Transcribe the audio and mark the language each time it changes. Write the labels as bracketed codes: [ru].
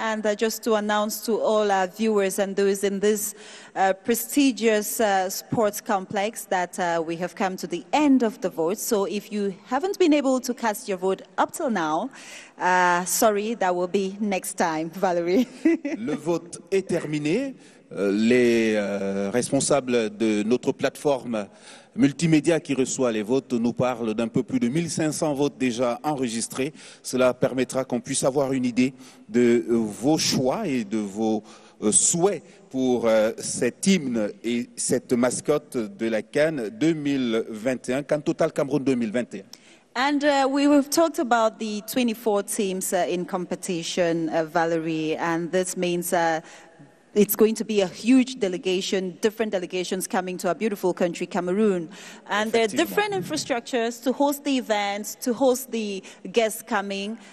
[en] And just to announce to all our viewers and those in this prestigious sports complex that we have come to the end of the vote. So if you haven't been able to cast your vote up till now, sorry, that will be next time, Valérie. [fr] Le vote est terminé. Les responsables de notre plateforme multimédia qui reçoit les votes nous parle d'un peu plus de 1500 votes déjà enregistrés. Cela permettra qu'on puisse avoir une idée de vos choix et de vos souhaits pour cet hymne et cette mascotte de la CAN 2021, CAN Total Cameroun 2021. [en] And we've talked about the 24 teams in competition, Valérie, and this means it's going to be a huge delegation, different delegations coming to our beautiful country, Cameroon. And there are different infrastructures to host the events, to host the guests coming.